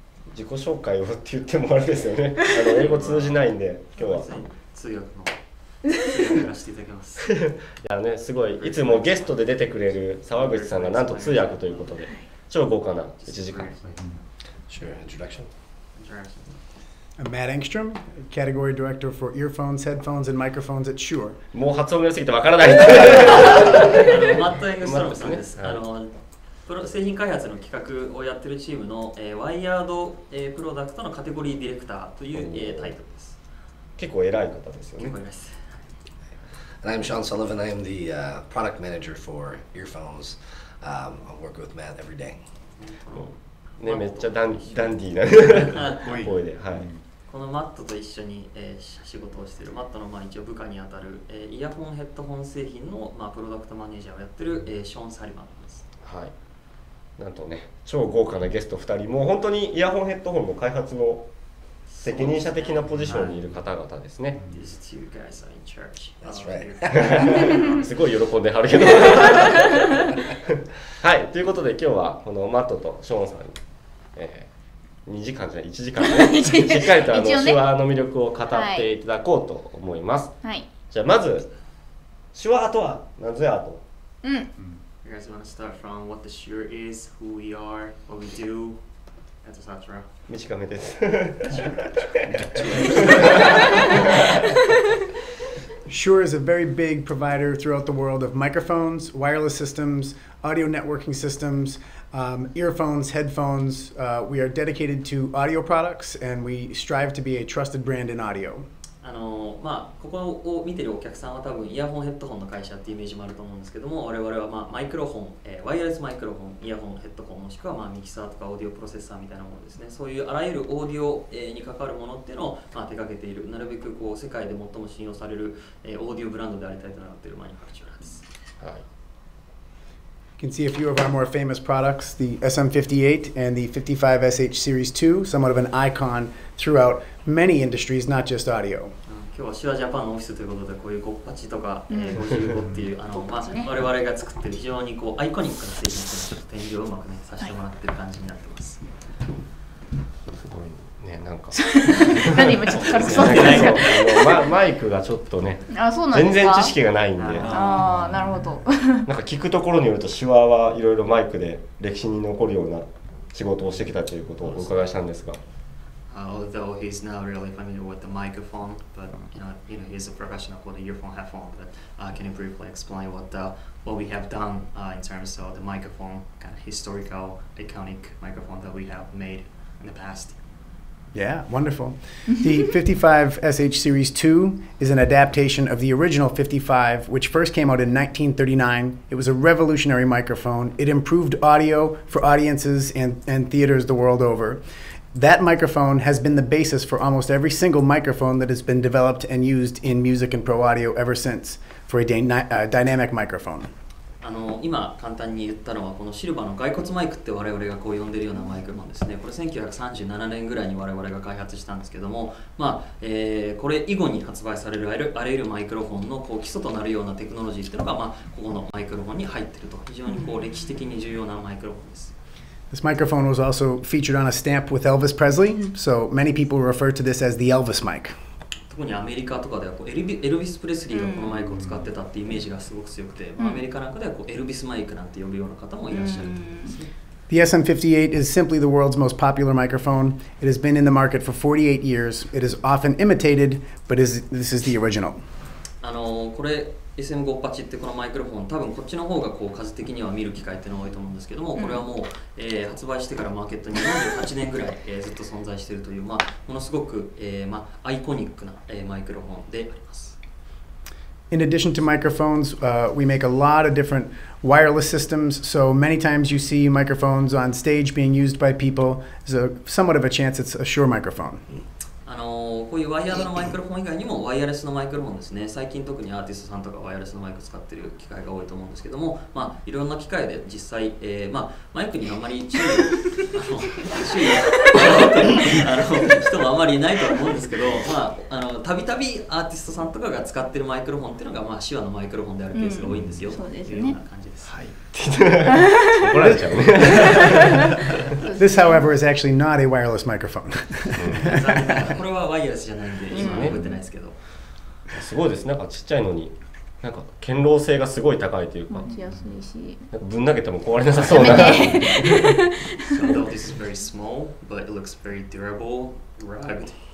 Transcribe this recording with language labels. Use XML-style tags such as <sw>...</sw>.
<ja>自己紹介をって言ってもあれですよね、あの英語通じないんで今日は通訳の通訳からしていただきますいやね、すごい、いつもゲストで出てくれる沢口さんがなんと通訳ということで、超豪華な1時間。</ja> <en>Sure, introduction. I'm Matt Engstrom, category director for earphones, headphones and microphones at Shure.</en> <ja>もう発音が良すぎてわからないマット・エングストロムさんです。プロ製品開発の企画をやってるチームの、ワイヤード、プロダクトのカテゴリーディレクターという、タイトルです。結構偉い方ですよね。結構偉いです。</ja> <en>And I'm Sean Sullivan. I am the、product manager for earphones.、I work with Matt every day.、</en> <ja>ね、めっちゃダンディーな声で、はい。このマットと一緒に、仕事をしている、マットの、まあ、一応部下にあたる、イヤホンヘッドホン製品の、まあ、プロダクトマネージャーをやってる、ショーン・サリバンです。はい、なんとね、超豪華なゲスト2人、もう本当にイヤホンヘッドホンの開発の責任者的なポジションにいる方々ですね。</ja> <en>These two guys are in charge. That's right.</en> <ja>すごい喜んではるけど。はい、ということで今日はこのマットとショーンさんに、2時間じゃない、1時間ね、しっかりとあの、ね、手話の魅力を語っていただこうと思います。はい、じゃあまず、手話とは何ぞやと。うん。</ja> <en>You guys want to start from what the Shure is, who we are, what we do, etc.</en> <ja>短めです。</ja> <en>Shure is a very big provider throughout the world of microphones, wireless systems, audio networking systems, earphones, headphones. We are dedicated to audio products and we strive to be a trusted brand in audio.</en> <ja>あのまあ、ここを見てるお客さんは多分イヤホンヘッドホンの会社っていうイメージもあると思うんですけども、我々は、まあ、マイクロホン、ワイヤレスマイクロホン、イヤホンヘッドホン、もしくは、まあ、ミキサーとかオーディオプロセッサーみたいなものですね、そういうあらゆるオーディオ、に関わるものっていうのを、まあ、手掛けている、なるべくこう世界で最も信用される、オーディオブランドでありたいとなっているマニファクチューラーです。はい、</ja> <en>You can see a few of our more famous products, the SM58 and the 55SH Series 2, somewhat of an icon throughout many industries, not just audio.</en> <ja>今日は手話ジャパンのオフィスということで、こういうゴッパチとか、55っていうあの、まあ、我々が作ってる非常にこうアイコニックな製品の展示をうまく、ね、させてもらってる感じになってます。すごいね、なんか何今ちょっと軽くそうですか、マイクがちょっとね、あ、そうなんですか、全然知識がないんで、ああ、なるほどなんか聞くところによると手話はいろいろマイクで歴史に残るような仕事をしてきたということをお伺いしたんですが、</ja> <en>Although he's not really familiar with the microphone, but you know he's a professional for the earphone headphone. But can you briefly explain what we have done in terms of the microphone, kind of historical iconic microphone that we have made in the past? Yeah, wonderful. The 55SH Series 2 is an adaptation of the original 55, which first came out in 1939. It was a revolutionary microphone. It improved audio for audiences and theaters the world over. That microphone has been the basis for almost every single microphone that has been developed and used in music and pro audio ever since for a dynamic microphone.</en> <ja>あの今簡単に言ったのはこのシルバーの骸骨マイクって我々がこう呼んでるようなマイクもですね、これ1937年ぐらいに我々が開発したんですけども、まあこれ以後に発売されるあらゆるマイクロフォンのこう基礎となるようなテクノロジーっていうのが、まあここのマイクロフォンに入ってると、非常にこう歴史的に重要なマイクロフォンです。</ja> <en>This microphone was also featured on a stamp with Elvis Presley, so many people refer to this as the Elvis mic.</en> <ja>特にアメリカとかではこうエルビス・プレスリーがこのマイクを使ってたってイメージがすごく強くて、まあ、アメリカなんかではこうエルビスマイクなんて呼ぶような方もいらっしゃるんですね。</ja> <en>The SM58 is simply the world's most popular microphone. It has been in the market for 48 years. It is often imitated, but this is the original.</en> <ja>あのこれSM58 ってこのマイクロフォン、多分こっちの方がこう数的には見る機会っていうのが多いと思うんですけども、これはもう、発売してからマーケットに48年ぐらい、ずっと存在しているという、まあ、ものすごく、まあ、アイコニックな、マイクロフォンであります。</ja> <en>In addition to microphones, we make a lot of different wireless systems. So many times you see microphones on stage being used by people. It's somewhat of a chance it's a Shure microphone. あのー</en> <ja>こういうワイヤードのマイクロフォン以外にもワイヤレスのマイクロフォンですね、最近特にアーティストさんとかワイヤレスのマイク使ってる機会が多いと思うんですけども、まあ、いろんな機会で実際、まあ、マイクにあまり注意を払ってる人もあまりいないと思うんですけど、まあ、たびたびアーティストさんとかが使ってるマイクロフォンっていうのが、まあ、シワのマイクロフォンであるケースが多いんですよ、うん、そうですね、というような感じです。はい、怒られちゃうね。</ja> <en>This, however, is actually not a wireless microphone.</en> <ja>これはワイヤレスじゃないんで、今覚えてないですけど。すごいですね。なんかちっちゃいのに、なんか堅牢性がすごい高いというか。持ちやすいし。なんかぶん投げても壊れなさそうな。</ja> <en>So this is very small, but it looks very durable, rugged.</en>